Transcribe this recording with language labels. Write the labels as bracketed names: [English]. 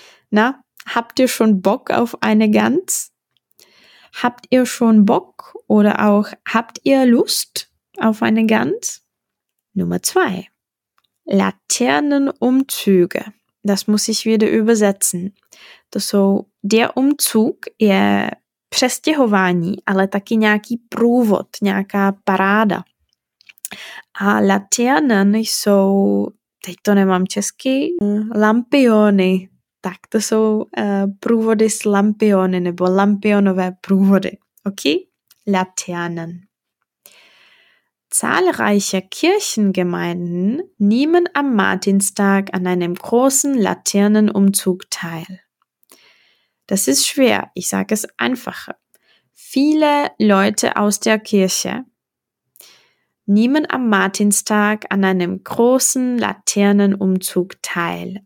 [German] Na, habt ihr schon Bock auf eine Gans? Habt ihr schon Bock oder auch habt ihr Lust auf eine Gans? Nummer 2. Laternenumzüge. Das muss ich wieder übersetzen. So, der Umzug [Czech] je přestěhování, ale taky nějaký průvod, nějaká paráda. A laternen jsou, teď to nemám česky, lampiony. Tak to jsou průvody s lampiony nebo lampionové průvody. [German] Ok? Laternen. Zahlreiche Kirchengemeinden nehmen am Martinstag an einem großen Laternenumzug teil. Das ist schwer, ich sage es einfacher. Viele Leute aus der Kirche nehmen am Martinstag an einem großen Laternenumzug teil.